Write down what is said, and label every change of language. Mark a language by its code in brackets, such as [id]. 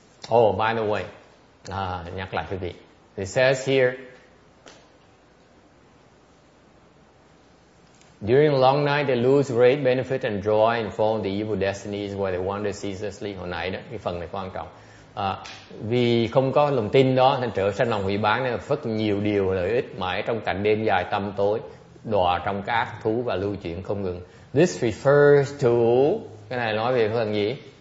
[en] Oh, by the way, [vi] nhắc lại quý vị. [en] It says here, during long night they lose great benefit and joy and fall into evil destinies where they wander ceaselessly. [vi] Hồi nãy đó, cái phần này quan trọng. Vì không có lòng tin đó, nên trở sanh lòng hủy báng nên phất nhiều điều lợi ích mãi trong cảnh đêm dài tăm tối. đọa trong các ác thú và lưu chuyển không ngừng. [en] This refers to, [vi] cái này nói về phần gì?